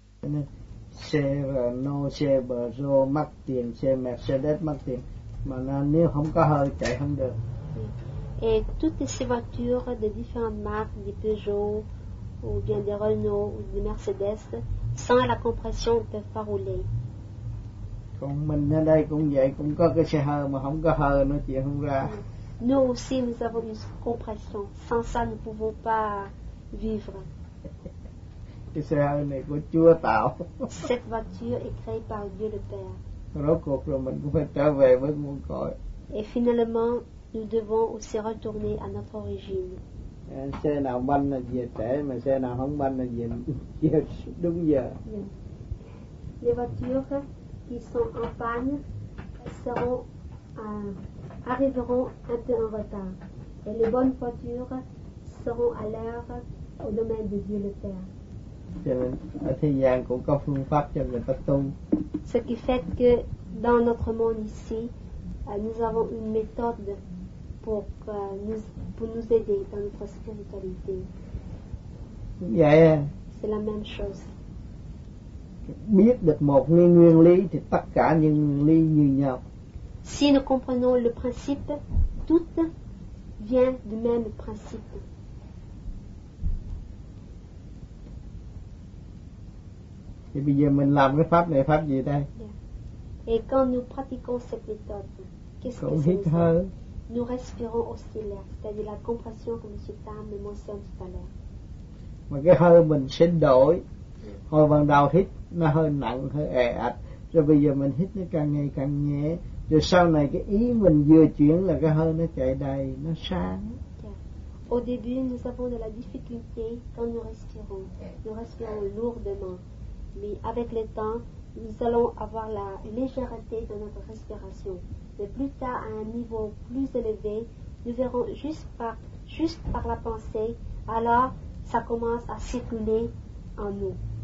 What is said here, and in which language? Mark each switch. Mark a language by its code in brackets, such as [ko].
[vi] nên xe Renault, xe Brazo mắc tiền, xe Mercedes mắc tiền, mà nếu không có hơi chạy không được. [fr] Et toutes ces voitures de différentes marques, des Peugeot ou bien des Renault ou des Mercedes, sans la compression ne peuvent pas rouler. [vi] Còn mình ở đây cũng vậy, cũng có cái xe hơi mà không có hơi nó chịu không ra. [fr] Nous aussi nous avons une compression, sans ça nous ne pouvons pas vivre. [vi] Cái xe hơi này của Chúa tạo. [fr] Cette voiture est créée par Dieu le Père. [vi] Rốt cuộc rồi mình cũng phải trở về với nguồn cội. [fr] Et finalement nous devons aussi retourner à notre origine. [vi] Xe nào banh là về trễ, mà xe nào không banh là về đúng giờ. [fr] Les voitures qui sont en panne seront arriveront un peu en retard. Et les bonnes voitures seront à l'heure au domaine de Dieu le Père. [vi] Ở thế gian cũng có phương pháp cho người ta tu. [fr] Ce qui fait que dans notre monde ici, nous avons une méthode pour nous aider dans notre spiritualité. Yeah. C'est la même chose. [vi] Biết được một nguyên lý thì tất cả những nguyên lý như nhau. [fr] Si nous comprenons le principe, tout vient du même principe. [vi] Thì bây giờ mình làm cái pháp này pháp gì đây? Yeah. [fr] Et quand nous pratiquons cette méthode, qu'est-ce que c'est? Nous respirons aussi l'air, c'est-à-dire la compression que M. Tam me mentionne tout à l'heure. [vi] Mà cái hơi mình sẽ đổi. Hồi ban đầu hít nó hơi nặng, hơi ẹ ạch. Rồi bây giờ mình hít nó càng ngày càng nhẹ. Rồi sau này cái ý mình vừa chuyển là cái hơi nó chạy đầy, nó sáng. Yeah. [fr] Au début, nous avons de la difficulté quand nous respirons. Nous respirons lourdement. Mais avec le temps, nous allons avoir la légèreté de notre respiration. Mais plus tard, à un niveau plus élevé, nous verrons juste par la pensée, alors ça commence à circuler en nous.